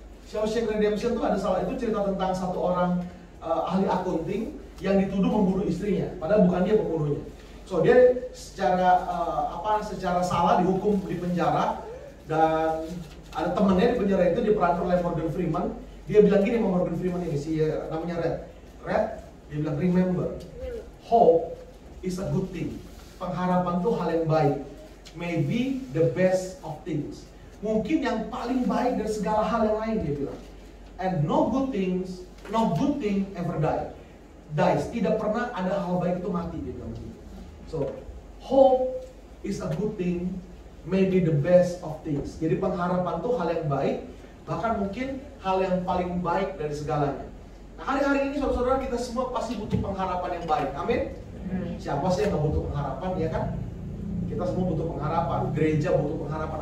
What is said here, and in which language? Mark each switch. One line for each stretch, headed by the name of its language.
Indonesian: Shawshank Redemption itu ada salah, itu cerita tentang satu orang ahli akunting yang dituduh membunuh istrinya, padahal bukan dia pembunuhnya. So, dia secara salah dihukum di penjara, dan ada temennya di penjara itu diperankan oleh Morgan Freeman. Dia bilang gini sama Morgan Freeman ini, si namanya Red.
English: Red,
Indonesian: dia bilang,
English: remember, hope is a good thing.
Indonesian: Pengharapan itu hal yang baik.
English: Maybe the best of things.
Indonesian: Mungkin yang paling baik dari segala hal yang lain, dia bilang.
English: And no good thing ever dies.
Indonesian: Tidak pernah ada hal baik itu mati, dia bilang.
English: So, hope is a good thing, maybe the best of things.
Indonesian: Jadi pengharapan itu hal yang baik, bahkan mungkin hal yang paling baik dari segalanya. Nah, hari-hari ini, saudara-saudara, kita semua pasti butuh pengharapan yang baik. Amin. Siapa sih yang gak butuh pengharapan, ya kan? Kita semua butuh pengharapan, gereja butuh pengharapan.